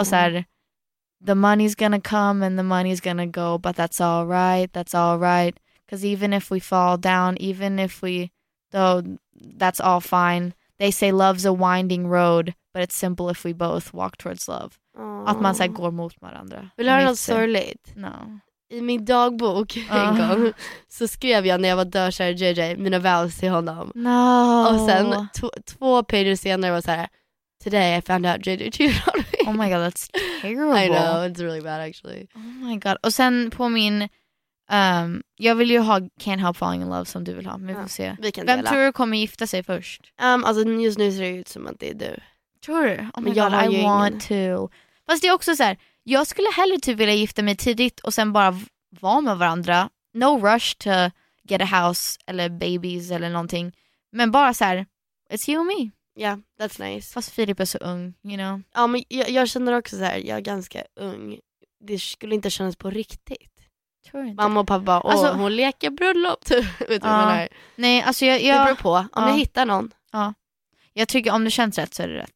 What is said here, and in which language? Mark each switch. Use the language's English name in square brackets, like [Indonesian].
[Swedish] Och så här, [English] the money's gonna come and the money's gonna go, but that's all right. Because even if we fall down, even if we, though, that's all fine. They say love's a winding road, but it's simple if we both walk towards love. Aww. [Swedish] Att man så här, går mot varandra. Vill du ha något sorgligt? [English] No. [Swedish] I min dagbok en gång så skrev jag när jag var dödkär JJ mina vows till honom. [English] No. [Swedish] Och sen två pages senare var så här: [English] today I found out JJ cheated on me. Oh my god, that's terrible. I know, it's really bad actually. Oh my god. [Swedish] Och sen på min jag vill ju ha Can't Help Falling in Love som du vill ha. Men får se. Vi kan vem dela. Tror du kommer gifta sig först? Alltså just nu ser det ut som att det är du. Tror du? [English] Oh my god, I want [Swedish] ingen. To. Fast det är också så här. Jag skulle hellre typ vilja gifta mig tidigt och sen bara vara med varandra. [English] No rush to get a house [Swedish] eller babies eller någonting. Men bara så här, [English] it's you and me. Yeah, that's nice. [Swedish] Fast Filip är så ung, [English] you know. [Swedish] Ja, men jag känner också så här, jag är ganska ung. Det skulle inte kännas på riktigt. Tror inte. Mamma och pappa, åh, alltså, hon leker bröllop. Nej, alltså jag... Det beror på, om jag hittar någon. Ja, jag tycker om det känns rätt så är det rätt.